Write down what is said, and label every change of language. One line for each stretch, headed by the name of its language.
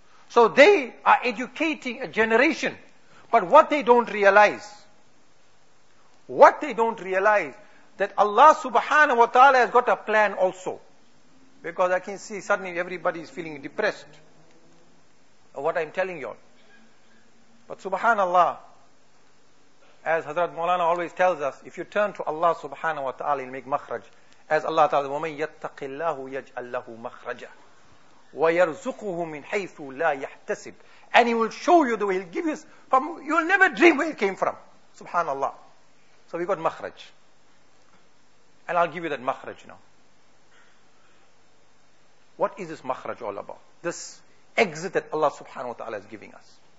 English: So they are educating a generation. But what they don't realize, that Allah subhanahu wa ta'ala has got a plan also. Because I can see suddenly everybody is feeling depressed of what I'm telling you. But subhanallah, as Hazrat Maulana always tells us, if you turn to Allah subhanahu wa ta'ala, he'll make makhraj. As Allah ta'ala,
Arabic: وَمَنْ يَتَّقِ اللَّهُ يَجْعَلْ لَهُ مَخْرَجًا وَيَرْزُقُهُ مِنْ حَيْثُ لَا يَحْتَسِبُ.
English: And he will show you the way, he'll give you, from, you'll never dream where it came from. Subhanallah. So we got makhraj. And I'll give you that makhraj now. What is this makhraj all about? This exit that Allah subhanahu wa ta'ala is giving us.